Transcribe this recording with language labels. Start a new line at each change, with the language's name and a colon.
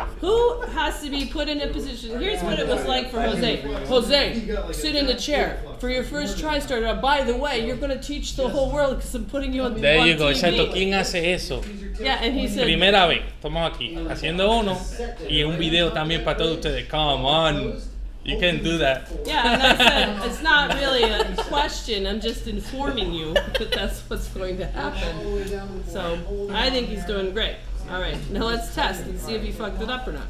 English: Who has to be put in a position? Here's what it was like for Jose. Jose, sit in the chair for your first try. Started. By the way, you're going to teach the whole world because I'm putting you on TV. There you go.
Spanish: Exacto. ¿Quién hace eso?
English: Yeah, and he said.
Spanish: Primera vez. Estamos aquí haciendo uno y un video también para todos ustedes.
English: Come on. You can do that. Yeah, and that's it. It's not really a question. I'm just informing you that that's what's going to happen. So I think he's doing great. All right, now let's test and see if he fucked it up or not.